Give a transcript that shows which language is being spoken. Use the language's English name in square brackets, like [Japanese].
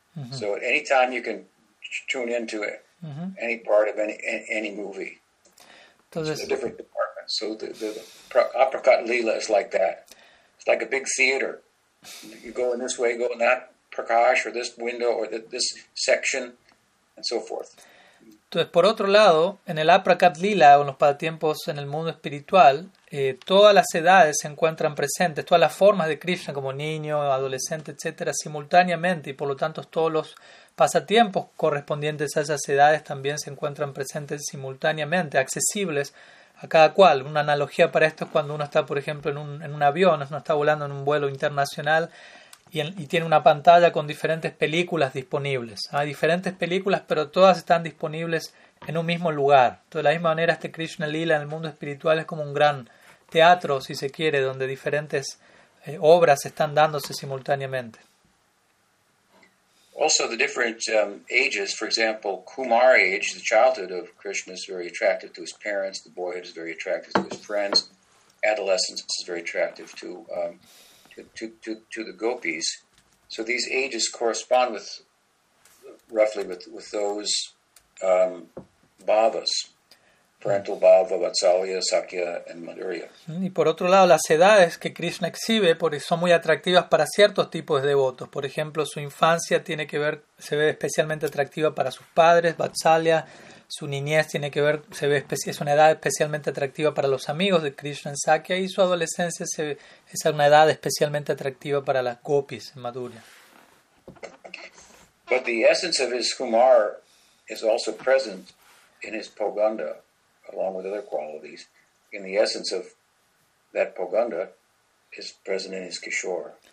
[English] So at any time you can tune into it, any part of any movie. [Spanish] Entonces, [English] it's a different department. So the apricot lila is like that. It's like a big theater. You go in this way, go in that prakash, or this window, or this section, and so forth. [Spanish] Entonces, por otro lado, en el Aprakat Lila, o en los pasatiempos en el mundo espiritual, todas las edades se encuentran presentes, todas las formas de Krishna, como niño, adolescente, etcétera, simultáneamente, y por lo tanto todos los pasatiempos correspondientes a esas edades también se encuentran presentes simultáneamente, accesibles a cada cual. Una analogía para esto es cuando uno está, por ejemplo, en un avión, uno está volando en un vuelo internacional, y tiene una pantalla con diferentes películas disponibles. Hay diferentes películas, pero todas están disponibles en un mismo lugar. Entonces, de la misma manera, este Krishna Lila en el mundo espiritual es como un gran teatro, si se quiere, donde diferentes obras están dándose simultáneamente. [English] Also, the different ages, for example, Kumari age, the childhood of Krishna, is very attractive to his parents. The boyhood is very attractive to his friends. Adolescence is very attractive to the gopis. So these ages correspond roughly with those bhavas, parental bhava, vatsalya, sakya, and madhurya. [Spanish] Y por otro lado, las edades que Krishna exhibe son muy atractivas para ciertos tipos de devotos. Por ejemplo, su infancia se ve especialmente atractiva para sus padres, vatsalya. Su niñez es una edad especialmente atractiva para los amigos de Krishna en Sakya, y su adolescencia es una edad especialmente atractiva para las gopis en Madhurya. [English] But the essence of his kumar is also present in his pogunda, along with other qualities. In the essence of that pogunda is present in his kishore.